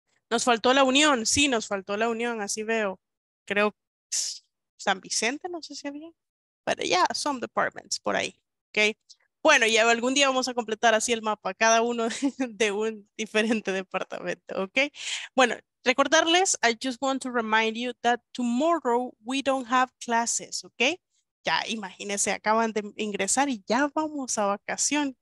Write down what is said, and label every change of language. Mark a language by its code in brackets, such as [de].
[es] Nos faltó la unión, sí, nos faltó la unión, así veo, creo que es San Vicente, no sé si había, pero [en] yeah, some departments [es] por ahí, okay. Bueno, ya algún día vamos a completar así el mapa, cada uno de un diferente departamento, okay. Bueno, recordarles, [en] I just want to remind you that tomorrow we don't have classes, okay? [es] Ya, imagínense, acaban de ingresar y ya vamos a vacación.